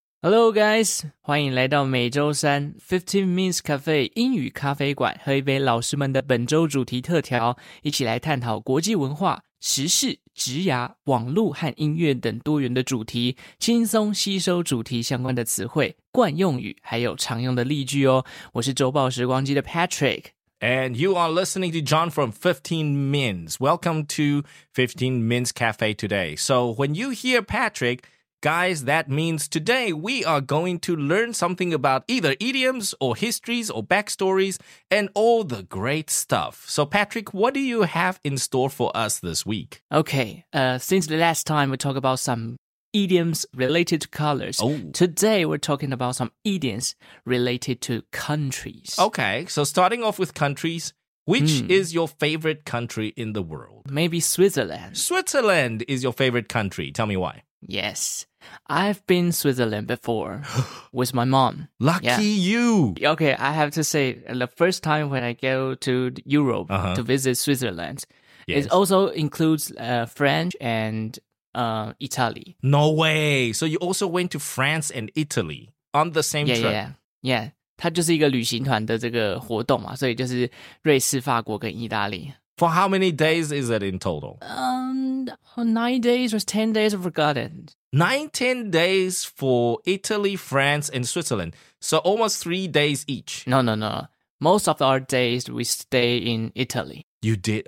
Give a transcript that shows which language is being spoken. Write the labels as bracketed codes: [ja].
[en] Hello guys, [zh] 欢迎来到每周三 15Mins 咖啡英语咖啡馆，喝一杯老师们的本周主题特调，一起来探讨国际文化、时事、职涯、网络和音乐等多元的主题，轻松吸收主题相关的词汇、惯用语，还有常用的例句哦。我是周报时光机的 Patrick。 [en] And you are listening to John from 15Mins. Welcome to 15Mins Cafe today. So when you hear Patrick, guys, that means today we are going to learn something about either idioms or histories or backstories and all the great stuff. So Patrick, what do you have in store for us this week? Okay, since the last time we talked about some idioms related to colors. Oh. Today, we're talking about some idioms related to countries. Okay, so starting off with countries, which is your favorite country in the world? Maybe Switzerland. Switzerland is your favorite country. Tell me why. Yes, I've been to Switzerland before with my mom. Lucky you! Okay, I have to say, the first time when I go to Europe to visit Switzerland, it also includes French and Italy. No way! So you also went to France and Italy on the same trip? Yeah. [zh] 它就是一个旅行团的这个活动嘛，所以就是瑞士、法国跟意大利。 [en] For how many days is it in total? 9 days or 10 days, I've forgotten. 9-10 days for Italy, France and Switzerland. So almost 3 days each. No. Most of our days we stay in Italy. You did?